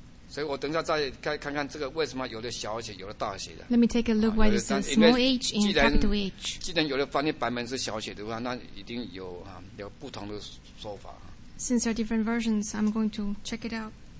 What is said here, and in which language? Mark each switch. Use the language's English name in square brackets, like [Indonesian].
[Chinese] 所以我等一下再看看这个为什么有的小写有的大写的。 [English] Let me take a look why it's a small H and capital H. [Chinese] 既然有的翻译版本是小写的话，那一定有啊有不同的说法。 [English] Since there are different versions, I'm going to check it out.